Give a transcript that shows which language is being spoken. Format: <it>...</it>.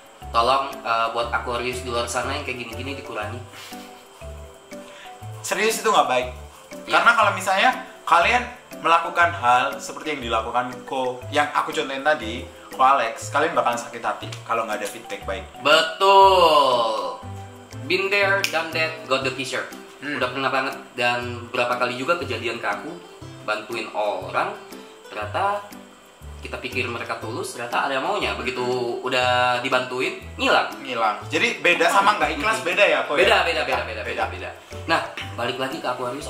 <id>Tolong buat Aquarius di luar sana yang kayak gini-gini dikurangi. Serius itu nggak baik. Ya. Karena kalau misalnya kalian melakukan hal seperti yang dilakukan Koko, yang aku contohin tadi, Koko Alex, kalian bakalan sakit hati kalau nggak ada feedback baik. Betul.</id> <en>Been there, done that, got the t-shirt.</en> <id>Udah pernah banget dan berapa kali juga kejadian ke aku bantuin orang, ternyata kita pikir mereka tulus, ternyata ada maunya. Begitu udah dibantuin, ngilang. Jadi beda sama nggak ikhlas, beda ya kok ya? Beda. Nah, balik lagi ke Aquarius.</id>